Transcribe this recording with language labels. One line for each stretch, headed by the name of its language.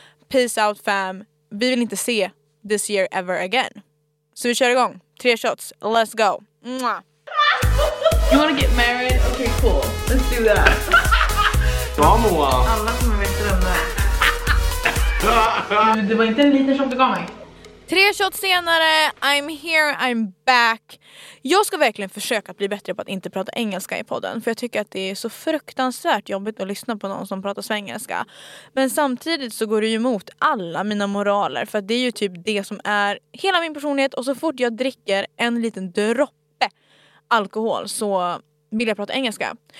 English: Peace out fam,
Swedish: vi vill inte se
English: this year ever again.
Swedish: Så vi kör igång.
English: 3 shots. Let's go. Mwah. You wanna get married? Okay, cool. Let's do that.
Swedish: Bra, Moa. Alla som är med om det. Det var inte en liten shot du gav mig.
English: 3 shots senare, I'm here, I'm back.
Swedish: Jag ska verkligen försöka bli bättre på att inte prata engelska i podden. För jag tycker att det är så fruktansvärt jobbigt att lyssna på någon som pratar svengelska. Men samtidigt så går det ju emot alla mina moraler. För det är ju typ det som är hela min personlighet. Och så fort jag dricker en liten droppe alkohol så vill jag prata engelska.